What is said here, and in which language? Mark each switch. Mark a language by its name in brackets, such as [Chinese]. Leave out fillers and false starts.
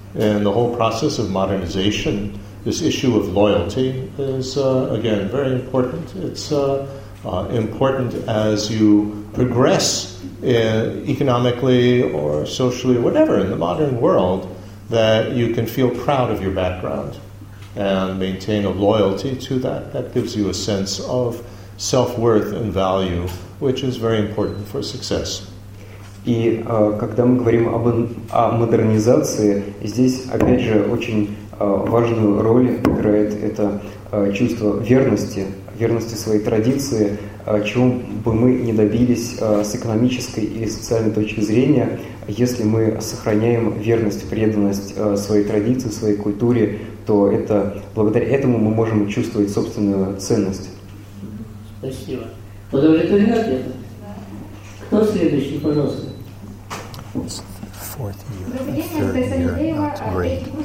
[English] And the whole process of modernization, this issue of loyalty is, again, very important. It's important as you progress economically or socially, whatever, in the modern world, that you can feel proud of your background and maintain a loyalty to that. That gives you a sense of self-worth and value, which is very important for success. [Russian] И когда мы говорим о модернизации, здесь, опять же, очень важную роль играет это чувство верности, верности своей традиции, чего бы мы ни добились с экономической или социальной точки зрения, если мы сохраняем верность, преданность своей традиции, своей культуре, то это благодаря этому мы можем чувствовать собственную ценность. Спасибо. Удовлетворены ответом? Кто следующий, пожалуйста? [English] It's the fourth year, the third year, not great.